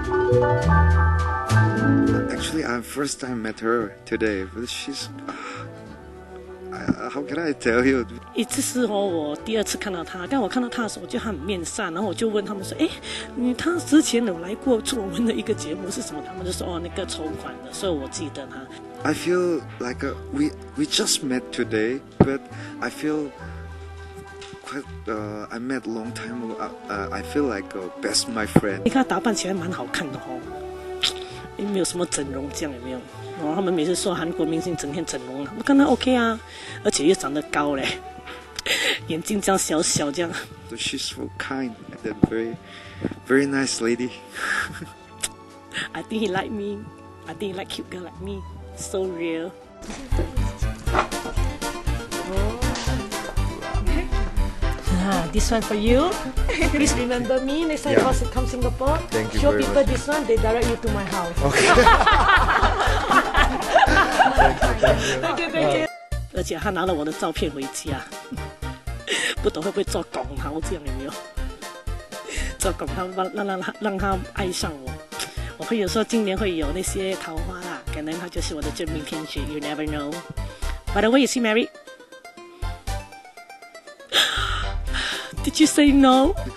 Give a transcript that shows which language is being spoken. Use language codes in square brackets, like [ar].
[en] Actually, I first time met her today, but she's... How can I tell you? [zh] 一次是哦，我第二次看到她，但我看到她的时候就很面善，然后我就问他们说，哎，你她之前有来过中文的一个节目是什么？他们就说，哦，那个筹款的，所以我记得她。 [en] I feel like we just met today, but I feel quite, I met long time ago, I feel like best my friend. [zh] 你看她打扮起来蛮好看的哦，也没有什么整容这样，有没有？哦，他们每次说韩国明星整天整容，我看他 OK 啊，而且又长得高嘞，眼睛这样小小这样。 [en] She's so kind and very, very nice lady. I think he like me. I think he like cute girl like me. So real. This one for you. Please remember me next time you come to Singapore. Thank you. Show people very much. This one. They direct you to my house. Okay. Thank you. [zh] 而且他拿了我的照片回家，不懂会不会做拱桃这样，有没有做拱桃让他爱上我。我朋友说今年会有那些桃花啦，可能他就是我的真命天子。 [en] You never know. By the way, is he married? Did you say no?